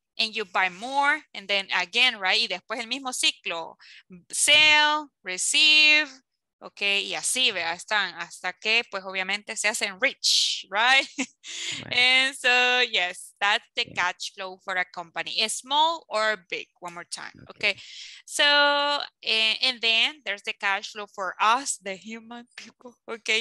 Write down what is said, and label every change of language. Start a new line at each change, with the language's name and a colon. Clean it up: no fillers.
English: and you buy more, and then again, right?
Spanish: Y después el mismo ciclo,
English: sell, receive,
Spanish: okay, y así, vea, están, hasta que, pues, obviamente, se hacen rich, right?
English: And so, yes, that's the cash flow for a company, small or big, one more time, okay? So, and then, there's the cash flow for us, the human people, okay?